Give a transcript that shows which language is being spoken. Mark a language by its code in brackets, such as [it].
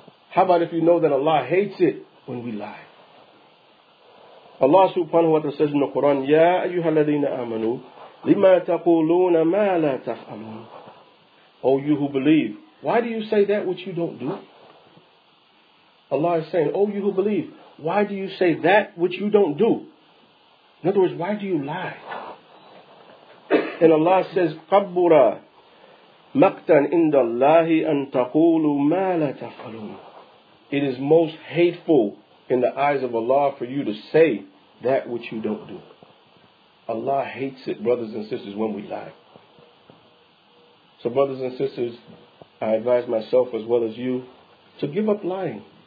[en] How about if you know that Allah hates it when we lie? Allah subhanahu wa ta'ala says in the Quran, [ar] Ya ayyuhalladhina amanu, lima taquluna ma la taf'alun. [en] O you who believe, why do you say that which you don't do? Allah is saying, O you who believe, why do you say that which you don't do? In other words, why do you lie? [ar] And Allah says, قَبُّرَ مَقْتًا إِنْدَ اللَّهِ أَن تَقُولُ مَا لَا تَفْعَلُونَ. [en] It is most hateful in the eyes of Allah for you to say that which you don't do. Allah hates it, brothers and sisters, when we lie. So brothers and sisters, I advise myself as well as you to give up lying.